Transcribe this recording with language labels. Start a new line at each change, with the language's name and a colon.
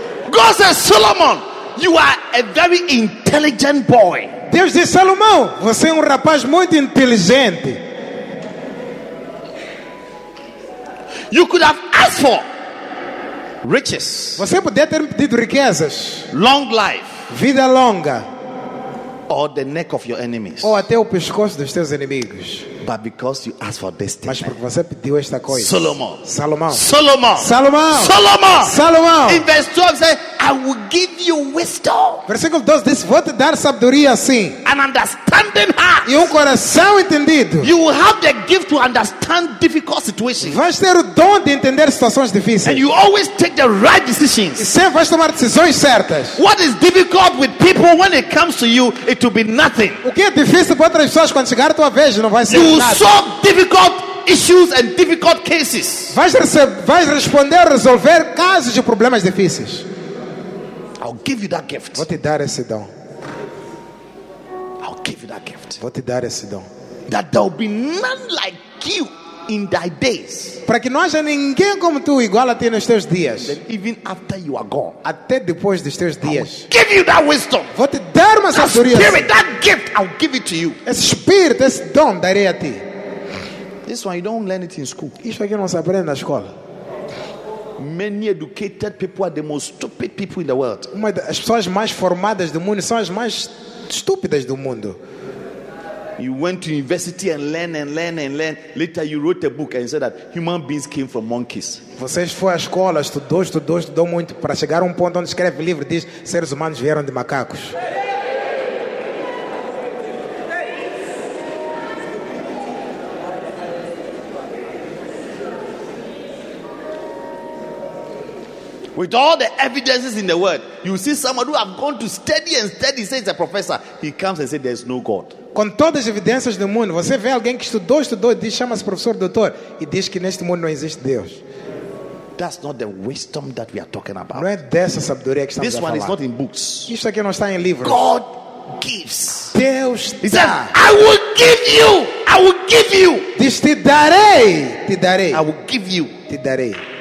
English: God says, Solomon, you are a very intelligent boy.
Portuguese: Deus disse, Salomão, você é rapaz muito inteligente.
English: You could have asked for riches.
Portuguese: Você poderia ter pedido riquezas.
English: Long life.
Portuguese: Vida longa.
English: Or the neck of your enemies.
Portuguese: Ou até o pescoço dos teus inimigos.
English: But because you asked for this thing.
Portuguese: Mas porque você pediu esta coisa.
English: Solomon.
Portuguese: Salomão.
English: Solomon.
Portuguese: Salomão.
English: Solomon.
Portuguese: Salomão.
English: In verse 12 says, I will give you wisdom.
Portuguese: Versículo 12 diz, vou te dar sabedoria assim.
English: An understanding heart.
Portuguese: E coração entendido.
English: You will have the gift to understand difficult situations.
Portuguese: Vais ter o dom de entender situações difíceis.
English: And you always take the right decisions.
Portuguese: E sempre vais tomar decisões certas.
English: What is difficult with people when it comes to you, it will be nothing.
Portuguese: O que é difícil para outras pessoas quando chegar a tua vez, não vai ser you nada.
English: You will solve difficult issues and difficult cases.
Portuguese: Vais responder, resolver casos e problemas difíceis.
English: I'll give you that gift.
Portuguese: Vou te dar esse dom.
English: I'll give you that gift.
Portuguese: Vou te dar esse dom.
English: That there will be none like you in thy days.
Portuguese: Para que não haja ninguém como tu igual a ti nos teus dias.
English: Then even after you are gone.
Portuguese: Até depois dos teus dias.
English: I'll give you that wisdom.
Portuguese: Vou te dar uma sabedoria.
English: That spirit, that gift, I'll give it to you.
Portuguese: Esse espírito, esse dom, darei a ti.
English: This one you don't learn it in school.
Portuguese: Isso aqui não se aprende na escola.
English: Many educated people are the most stupid people in the world.
Portuguese: As pessoas mais formadas do mundo são as mais estúpidas do mundo.
English: You went to university and learn. Later you wrote a book and said that human beings came from monkeys.
Portuguese: Você foi à escola, estudou muito para chegar a ponto onde escreve livro diz seres humanos vieram de macacos.
English: With all the evidences in the world, you see someone who have gone to study and study, says a professor, he comes and says there's no God.
Portuguese: Com todas as evidências do mundo, você vê alguém que estudou, diz, chama-se professor, doutor, e diz que neste mundo não existe Deus.
English: That's not the wisdom that we are talking about.
Portuguese: Não é dessa sabedoria que estamos a falar.
English: This one is not in books.
Portuguese: Isso aqui não está em livros.
English: God gives.
Portuguese: Deus dá.
English: He says, I will give you.
Portuguese: Diz, te darei.
English: I will give you.
Portuguese: Te darei.